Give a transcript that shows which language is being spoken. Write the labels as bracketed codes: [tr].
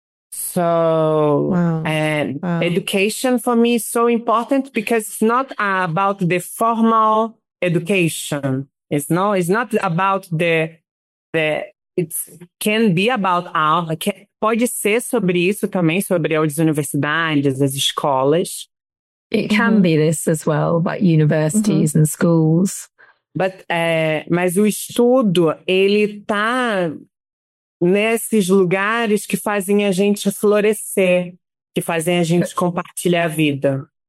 [en] So, education for me is so important because it's not about the formal education. It's not about the it can be about aula. [pt] Pode ser sobre isso também, sobre as universidades, as escolas. [en] It can mm-hmm. be this as well, but universities mm-hmm. and schools. [pt] But, mas o estudo, ele tá nesses lugares que fazem a gente florescer, que fazem a gente compartilhar a vida.